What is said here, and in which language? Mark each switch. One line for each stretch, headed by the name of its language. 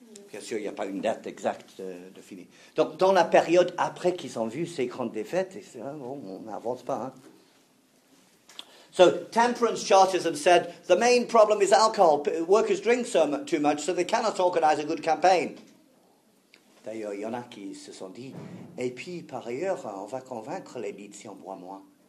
French: Bien sûr, il n'y a pas une date exacte de fini. Donc, dans la période après qu'ils ont vu ces grandes défaites, et on n'avance pas. Hein.
English: So, temperance chartism said the main problem is alcohol. Workers drink too much, so they cannot organize a good campaign.
French: D'ailleurs, il y en a qui se sont dit, et puis, par ailleurs, on va convaincre les leads si on boit moins.